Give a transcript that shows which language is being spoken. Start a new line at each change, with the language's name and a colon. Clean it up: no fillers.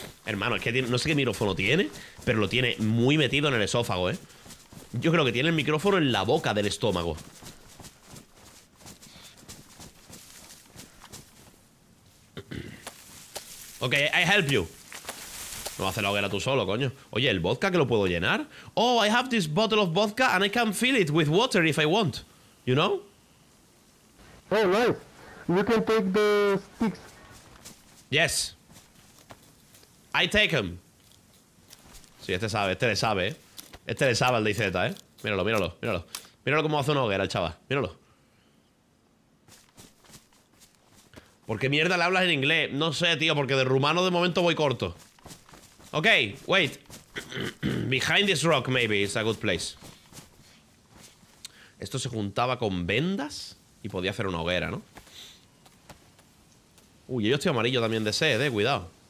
Spanish: Hermano, es que tiene, no sé qué micrófono tiene, pero lo tiene muy metido en el esófago, ¿eh? Yo creo que tiene el micrófono en la boca del estómago. Ok, I help you. No vas a hacer la hoguera tú solo, coño. Oye, ¿el vodka que lo puedo llenar?
English: Oh, I have this bottle of vodka and I can fill it with water if I want. You know? Oh, nice. You can take the sticks.
Spanish: Yes. I take him. Sí, este sabe, este le sabe, ¿eh? Este le sabe al DZ, ¿eh? Míralo, míralo, míralo. Míralo cómo hace una hoguera el chaval. Míralo. ¿Por qué mierda le hablas en inglés? No sé, tío, porque de rumano de momento voy corto.
English: Ok, wait. Behind this rock, maybe, it's a good place.
Spanish: Esto se juntaba con vendas y podía hacer una hoguera, ¿no? Uy, yo estoy amarillo también de sed, cuidado.